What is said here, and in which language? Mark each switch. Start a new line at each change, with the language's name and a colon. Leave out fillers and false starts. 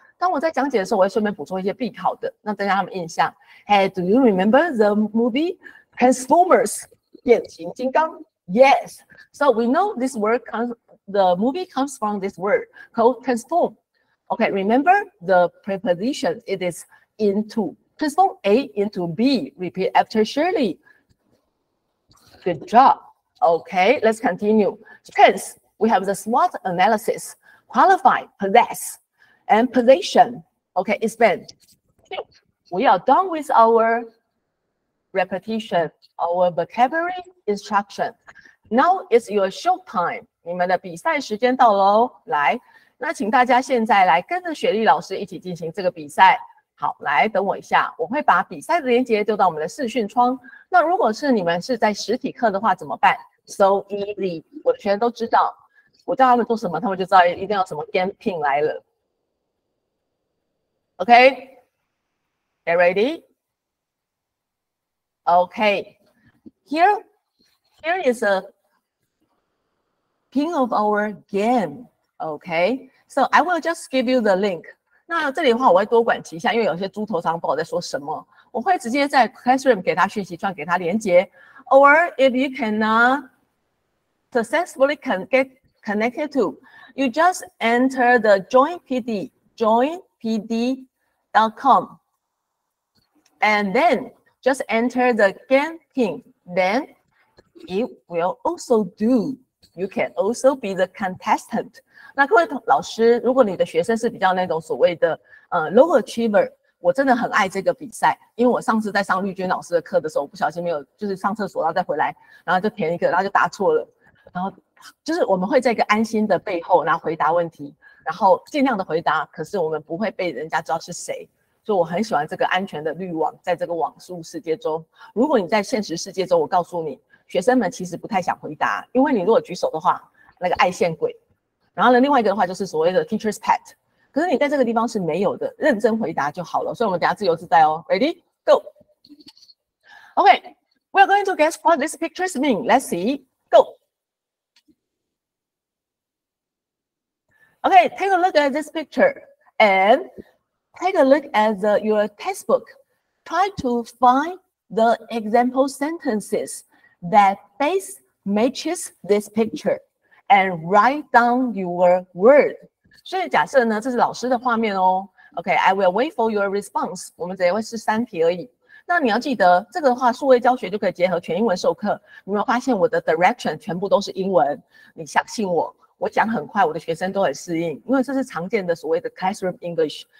Chinese: 当我在讲解的时候，我会顺便补充一些必考的，让大家有印象。
English: Hey, do you remember the movie Transformers?
Chinese: 变形金刚。
English: Yes, so we know this word comes, the movie comes from this word called transform. Okay, remember the preposition, it is into. Transform A into B, repeat after Shirley. Good job. Okay, let's continue. Strengths, we have the SWOT analysis, qualify, possess, and position. Okay, expand. We are done with our repetition, our vocabulary instruction. Now it's your show time.
Chinese: 你们的比赛时间到了哦。来，那请大家现在来跟着雪莉老师一起进行这个比赛。好，来等我一下，我会把比赛的连结丢到我们的视讯窗。那如果是你们是在实体课的话怎么办 ？
English: So easy，
Chinese: 我的学生都知道，我叫他们做什么，他们就知道一定要什么 game pin 来了。
English: OK， get ready. OK， here. Here is a pin of our game. Okay, so I will just give you the link.
Chinese: 那这里的话，我会多管齐下，因为有些猪头上不知道我在说什么。我会直接在 Classroom 给他讯息串，给他连接。
English: Or if you cannot successfully get connected to, you just enter the joinpd.com, and then just enter the game pin. Then. It will also do. You can also be the contestant.
Chinese: 那各位老师，如果你的学生是比较那种所谓的low achiever， 我真的很爱这个比赛，因为我上次在上绿军老师的课的时候，我不小心没有就是上厕所，然后再回来，然后就填一个，然后就答错了。然后就是我们会在一个安心的背后，然后回答问题，然后尽量的回答，可是我们不会被人家知道是谁。所以我很喜欢这个安全的滤网，在这个网速世界中，如果你在现实世界中，我告诉你。学生们其实不太想回答，因为你如果举手的话，那个爱线鬼。然后呢，另外一个的话就是所谓的 teacher's pet， 可是你在这个地方是没有的，认真回答就好了。所以我们等下自由自在哦。
English: Ready? Go. Okay, we are going to guess what these pictures mean. Let's see. Go. Okay, take a look at this picture and take a look at your textbook. Try to find the example sentences. That face matches this picture and write down your word.
Chinese: 所以假设呢，这是老师的画面哦。
English: OK, I will wait for your response.
Chinese: 我们只会是三题而已。那你要记得，这个的话，数位教学就可以结合全英文授课。你有没有发现我的 direction 全部都是英文？你相信我，我讲很快，我的学生都很适应，因为这是常见的所谓的 classroom English。